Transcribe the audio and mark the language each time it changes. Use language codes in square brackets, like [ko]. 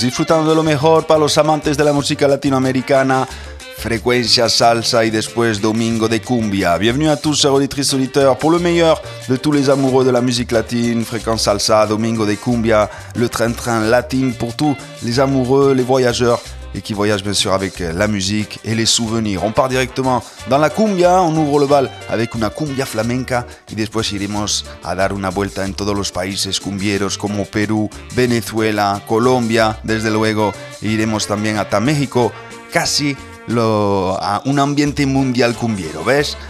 [es] Disfrutando de lo mejor para los amantes de la música latinoamericana. Frecuencia salsa y después domingo de cumbia. [fr] Bienvenue a tous, auditrices, auditeurs. Pour le meilleur de tous les amoureux de la musique latine, fréquence salsa, [es] domingo de cumbia, [fr] le train-train latin pour tous les amoureux, les voyageurs et qui voyagent bien sûr avec la musique et les souvenirs. On part directement dans la cumbia, on ouvre le bal avec [es] una cumbia flamenca y después iremos a dar una vuelta en todos los países cumbieros como Perú, Venezuela, Colombia, desde luego, e iremos también hasta México, casi a un ambiente mundial cumbiero, ¿ves?